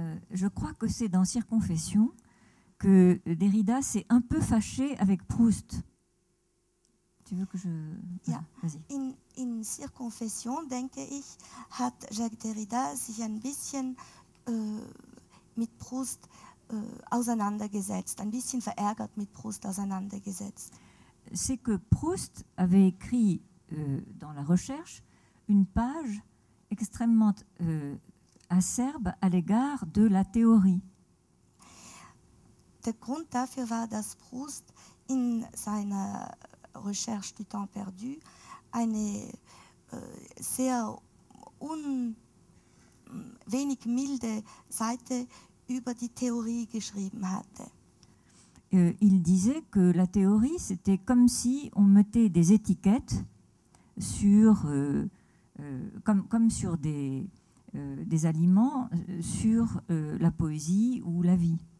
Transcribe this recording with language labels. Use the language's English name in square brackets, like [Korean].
[French] Je crois que c'est dans Circonfession que Derrida s'est un peu fâché avec Proust. Tu veux que je... Ja. Vas-y. [German] In Circonfession, denke ich, hat Jacques Derrida sich ein bisschen mit Proust auseinandergesetzt, ein bisschen verärgert mit Proust auseinandergesetzt. [French] C'est que Proust avait écrit dans La Recherche une page extrêmement acerbe à l'égard de la théorie. [German] Der Grund dafür war, dass Proust in seiner Recherche du temps perdu eine sehr wenig milde Seite über die Theorie geschrieben hatte. [French] Il disait que la théorie, c'était comme si on mettait des étiquettes sur comme sur des aliments sur la poésie ou la vie.